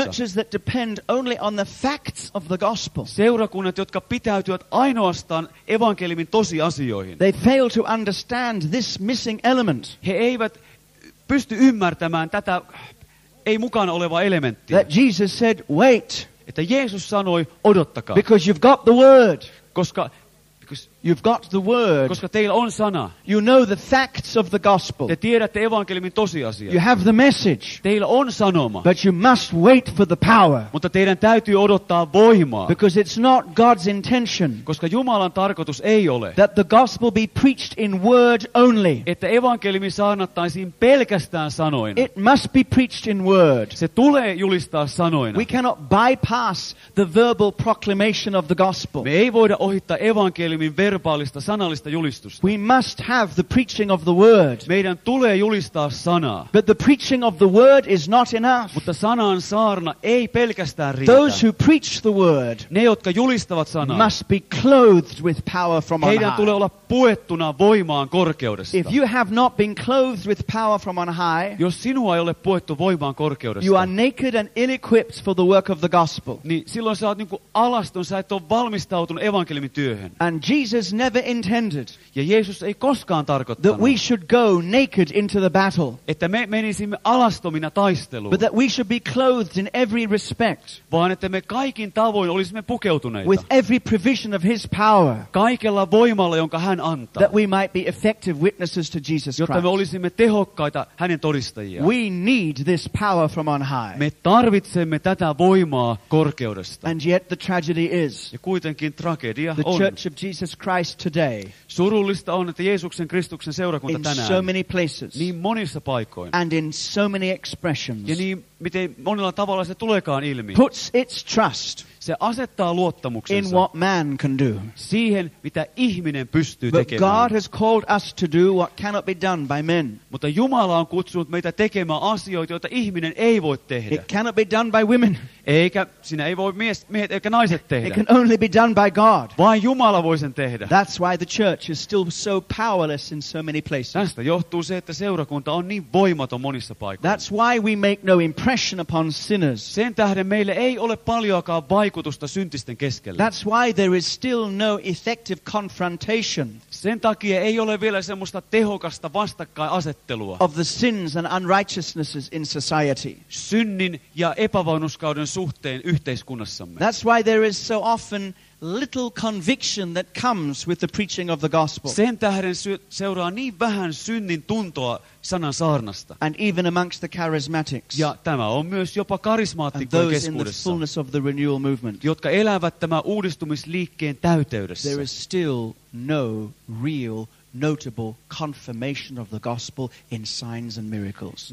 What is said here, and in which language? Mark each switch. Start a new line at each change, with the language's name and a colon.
English: Churches that depend only on the facts of the gospel.
Finnish: Seurakunnat, jotka pitäytyvät ainoastaan evankeliumin tosiasioihin.
English: They fail to understand this missing element.
Finnish: He eivät pysty ymmärtämään tätä ei mukana olevaa elementtiä.
English: That Jesus said, wait.
Finnish: Että Jeesus sanoi, odottakaa.
English: Because you've got the word.
Finnish: Koska
English: you've got the word.
Finnish: Koska teillä on sana.
English: You know the facts of the gospel.
Finnish: Te tiedätte evankeliumin tosiasiat.
English: You have the message.
Finnish: Teillä on sanoma.
English: But you must wait for the power.
Finnish: Mutta teidän täytyy odottaa voimaa.
English: Because it's not God's intention.
Finnish: Koska Jumalan tarkoitus ei ole.
English: That the gospel be preached in word only.
Finnish: Että evankeliumi saarnattaisiin pelkästään sanoina.
English: It must be preached in word.
Finnish: Se tulee julistaa sanoina.
English: We cannot bypass the verbal proclamation of the gospel.
Finnish: Me ei voida ohittaa evankeliumin verbaalista sanallista julistusta.
English: We must have the preaching of the word.
Finnish: Meidän tulee julistaa sanaa.
English: But the preaching of the word is not enough.
Finnish: Mutta sanan saarna ei pelkästään riitä.
English: Those who preach the word,
Finnish: ne jotka julistavat sanaa,
English: must be clothed with power from on high.
Finnish: Heidän tulee olla puettuna voimaan korkeudesta.
English: If you have not been clothed with power from on high,
Finnish: jos sinua ei ole puettu voimaan korkeudesta,
English: you are naked and ill-equipped for the work of the gospel.
Finnish: Niin silloin sä oot niinku alaston, sä et ole valmistautunut evankeliumin työhön.
English: And Jesus never intended.
Finnish: Ja Jeesus ei koskaan tarkoittanut.
English: That we should go naked into the battle.
Finnish: Että me menisimme alastomina taisteluun.
English: But that we should be clothed in every respect.
Finnish: Vaan että me kaikin tavoin olisimme pukeutuneita.
English: With every provision of his power.
Finnish: Kaikella voimalla jonka hän antaa.
English: That we might be effective witnesses to Jesus Christ.
Finnish: Jotta me olisimme tehokkaita hänen todistajia.
English: We need this power from on high.
Finnish: Me tarvitsemme tätä voimaa korkeudesta.
English: And yet the tragedy is.
Finnish: Ja kuitenkin tragedia
English: the
Finnish: on.
English: Church of Jesus Christ today.
Finnish: Surullista on, että Jeesuksen Kristuksen seurakunta
English: in
Finnish: tänään.
English: So many places,
Finnish: niin monissa paikoin.
English: And in so many expressions.
Finnish: Ja niin miten monella tavalla se tuleekaan ilmi.
English: Puts its trust.
Finnish: Se asettaa luottamuksensa.
English: In what man can do.
Finnish: Siihen mitä ihminen pystyy
English: but
Finnish: tekemään.
English: God has called us to do what cannot be done by men.
Finnish: Mutta Jumala on kutsunut meitä tekemään asioita, joita ihminen ei voi tehdä.
English: It cannot be done by women.
Finnish: Eikä sinä ei voi miehet eikä naiset tehdä.
English: It can only be done by God.
Finnish: Vain Jumala voi sen tehdä.
English: That's why the church is still so powerless in so many places.
Finnish: Tästä johtuu se, että seurakunta on niin voimaton monissa paikoissa.
English: That's why we make no impression upon sinners.
Finnish: Sen tähden meillä ei ole paljoakaan vaikutusta syntisten keskellä.
English: That's why there is still no effective confrontation.
Finnish: Sen takia ei ole vielä semmoista tehokasta vastakkainasettelua.
English: Of the sins and unrighteousnesses in society.
Finnish: Synnin ja epävaunuskauden suhteen yhteiskunnassamme.
English: That's why there is so often little conviction that comes with the preaching of the gospel.
Finnish: Sen tähden seuraa niin vähän synnin tuntoa sanan saarnasta.
English: And even amongst the charismatics.
Finnish: Ja tämä on myös jopa karismaattikkojen keskuudessa.
English: And those in the fullness of the renewal movement.
Finnish: Jotka elävät tämän uudistumisliikkeen täyteydessä.
English: There is still no real notable confirmation of the gospel in signs and miracles.